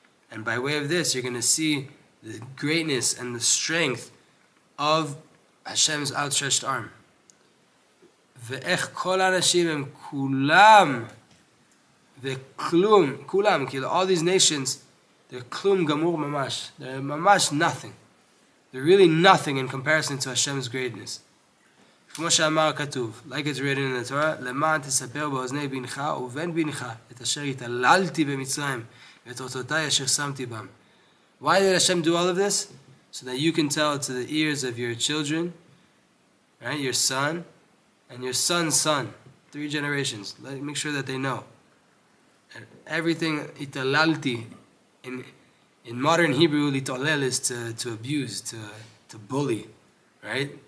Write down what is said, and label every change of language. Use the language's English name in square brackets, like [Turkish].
[English] And by way of this, you're going to see the greatness and the strength of Hashem's outstretched arm. [Hebrew] Ve'ech kol anashim hem kulam ve'klum, kulam, [English] all these nations, they're klum gamur mamash. They're mamash nothing. They're really nothing in comparison to Hashem's greatness. [Hebrew] כמו שאמר כתוב, [English] like it's written in the Torah, [Hebrew] למען תספר באוזני בנך ובן בנך את אשר התעללתי במצרים ואת אותותיי אשר שמתי בם. [English] Why did Hashem do all of this? So that you can tell to the ears of your children, right, your son, and your son's son, three generations. Make sure that they know. And everything התעללתי, in modern Hebrew, להתעלל is to abuse, to bully, right?